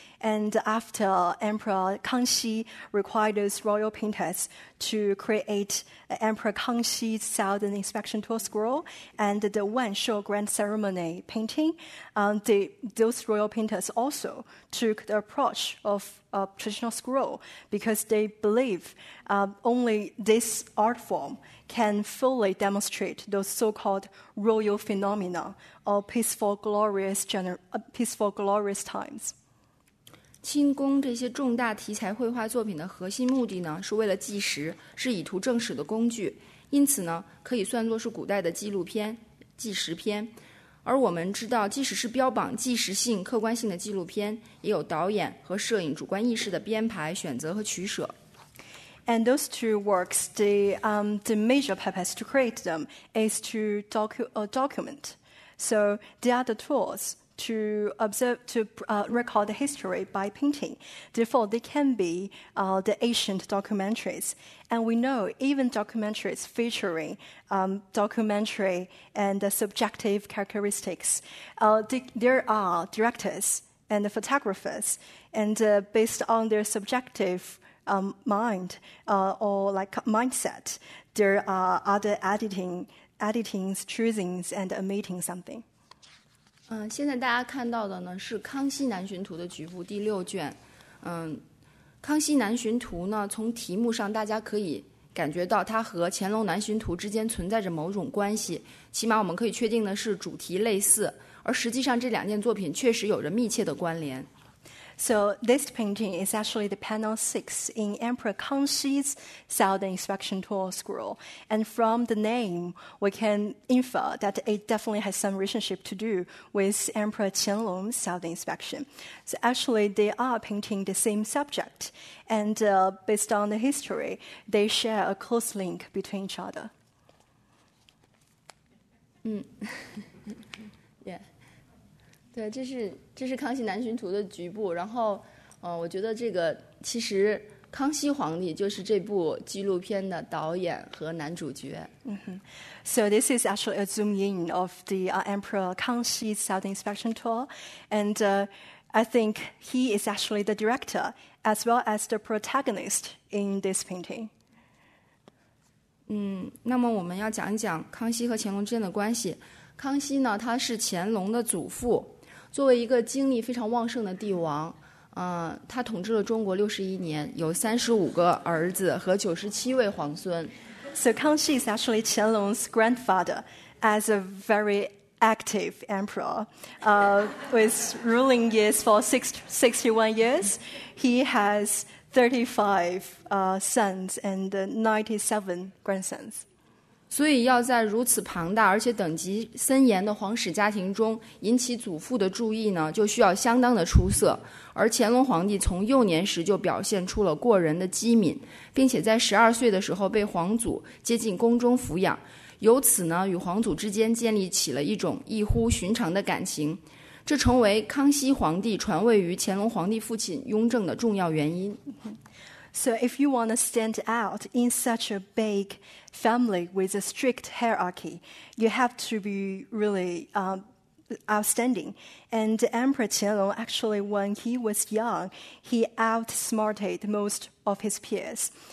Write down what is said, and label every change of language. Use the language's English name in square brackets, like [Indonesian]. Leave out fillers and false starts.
[English] And after Emperor Kangxi required those royal painters to create Emperor Kangxi's Southern Inspection Tour scroll and the Wanshou Grand Ceremony painting, those royal painters also took the approach of a traditional scroll because they believe only this art form can fully demonstrate those so-called royal phenomena or peaceful, glorious times. [Chinese] 清宫这些重大题材绘画作品的核心目的呢，是为了纪实，是以图正史的工具，因此呢，可以算作是古代的纪录片、纪实片。而我们知道，即使是标榜纪实性、客观性的纪录片，也有导演和摄影主观意识的编排、选择和取舍。 [English] And those two works, the major purpose to create them is to document. So they are the tools to observe, to record the history by painting. Therefore, they can be the ancient documentaries. And we know even documentaries featuring documentary and the subjective characteristics, there are directors and the photographers, and based on their subjective mind or like mindset, there are other editings, choosings, and omitting something. [Chinese] 现在大家看到的呢是《康熙南巡图》的局部第六卷。 《康熙南巡图》呢，从题目上大家可以感觉到它和《乾隆南巡图》之间存在着某种关系，起码我们可以确定的是主题类似，而实际上这两件作品确实有着密切的关联。 [English] So this painting is actually the panel 6 in Emperor Kangxi's Southern Inspection Tour scroll. And from the name, we can infer that it definitely has some relationship to do with Emperor Qianlong's Southern Inspection. So actually, they are painting the same subject. And based on the history, they share a close link between each other. Yeah. [Chinese] 对，这是《康熙南巡图》的局部。然后，我觉得这个其实康熙皇帝就是这部纪录片的导演和男主角。 [English] So this is actually a zoom in of the Emperor Kangxi's Southern Inspection Tour, and I think he is actually the director as well as the protagonist in this painting. [Chinese] 那么我们要讲一讲康熙和乾隆之间的关系。康熙呢，他是乾隆的祖父。作为一个精力非常旺盛的帝王，他统治了中国61年，有35个儿子和97位皇孙。 [English] So Kangxi is actually Qianlong's grandfather as a very active emperor, with ruling years for 61 years. He has 35 sons and 97 grandsons. [Chinese] 所以要在如此庞大而且等级森严的皇室家庭中引起祖父的注意呢，就需要相当的出色。而乾隆皇帝从幼年时就表现出了过人的机敏，并且在12岁的时候被皇祖接进宫中抚养，由此呢，与皇祖之间建立起了一种异乎寻常的感情，这成为康熙皇帝传位于乾隆皇帝父亲雍正的重要原因。 [English] So if you want to stand out in such a big family with a strict hierarchy, you have to be really outstanding. And Emperor Qianlong, actually, when he was young, he outsmarted most of his peers.